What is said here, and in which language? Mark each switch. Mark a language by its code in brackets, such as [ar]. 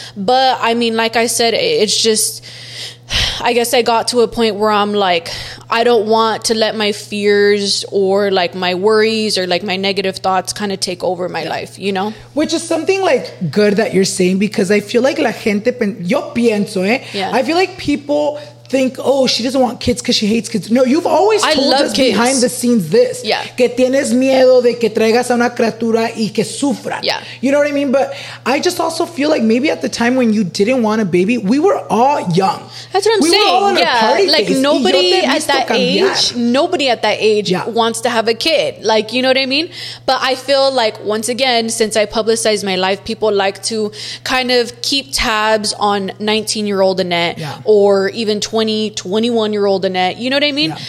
[en] But I mean, like I said, it's just, I guess I got to a point where I'm like, I don't want to let my fears or like my worries or like my negative thoughts kind of take over my life, you know? Which is something like good that you're saying, because I feel like [es] la gente, yo pienso, eh? [en] Yeah. I feel like people think, oh, she doesn't want kids because she hates kids. No, you've always told us kids behind the scenes this. Yeah. [es] Que tienes miedo de que traigas a una criatura y que sufra. [en] Yeah. You know what I mean? But I just also feel like maybe at the time when you didn't want a baby, we were all young. That's what I'm saying. We were all in our party like phase. Nobody at that age, wants to have a kid. Like, you know what I mean? But I feel like once again, since I publicized my life, people like to kind of keep tabs on 19-year-old Annette or even 21 year old Annette, you know what I mean?